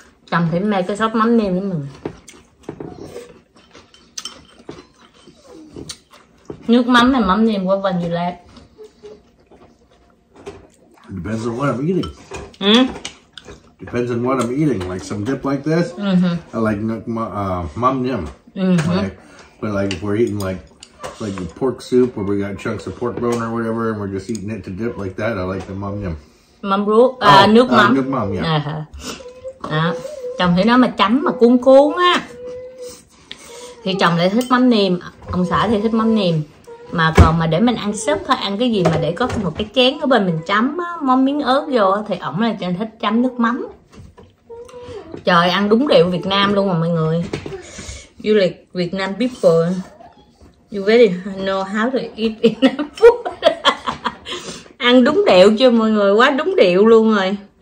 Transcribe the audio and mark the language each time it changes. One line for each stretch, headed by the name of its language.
Vietnamese: Cần phải
English: make
Vietnamese: cái
English: sauce
Vietnamese: mắm nêm với mình. Nước mắm này mắm nêm của vanilla.
English: Depends on what I'm eating. Mm-hmm. Depends on what I'm eating. Like some dip like this, mm-hmm. I like mom nim. Mm-hmm. Like, but like if we're eating like the pork soup or we got chunks of pork bone or whatever and we're just eating it to dip like that, I like the mom nim.
Vietnamese: Nước mắm.
English: Yeah.
Vietnamese: Chồng thì nó mà chấm mà cuốn cuốn á. Thì chồng lại thích mắm nêm, ông xã thì thích mắm nêm. Mà còn mà để mình ăn súp thôi, ăn cái gì mà để có một cái chén ở bên mình chấm á, món miếng ớt vô á, thì ổng là thích chấm nước mắm. Trời, ăn đúng điệu Việt Nam luôn mà mọi người. Du lịch Việt Nam
English: people. You very know how to eat in food.
Vietnamese: Ăn đúng điệu chưa mọi người, quá đúng điệu luôn rồi.